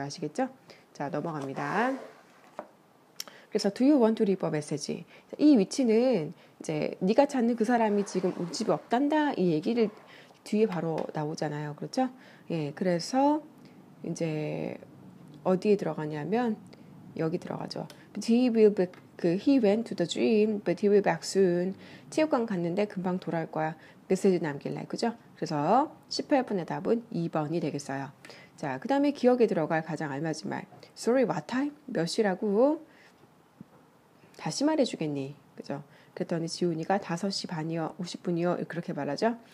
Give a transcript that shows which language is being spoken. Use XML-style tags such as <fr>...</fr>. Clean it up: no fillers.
<ko>아시겠죠? 자 넘어갑니다. 그래서</ko> <en>Do you want to leave a message?</en> <ko>이 위치는 이제 네가 찾는 그 사람이 지금 우리 집에 없단다 이 얘기를 뒤에 바로 나오잖아요. 그렇죠? 예, 그래서 이제 어디에 들어가냐면 여기 들어가죠.</ko> <en>He will be, he went to the gym, but he will be back soon.</en> <ko>체육관 갔는데 금방 돌아올 거야. 메시지 남길래. 그죠? 그래서 18번의 답은 2번이 되겠어요. 자, 그 다음에 기억에 들어갈 가장 알맞은 말.</ko> <en>Sorry, what time?</en> <ko>몇 시라고? 다시 말해주겠니? 그죠? 그랬더니 지훈이가 5시 반이요, 50분이요. 그렇게 말하죠?</ko>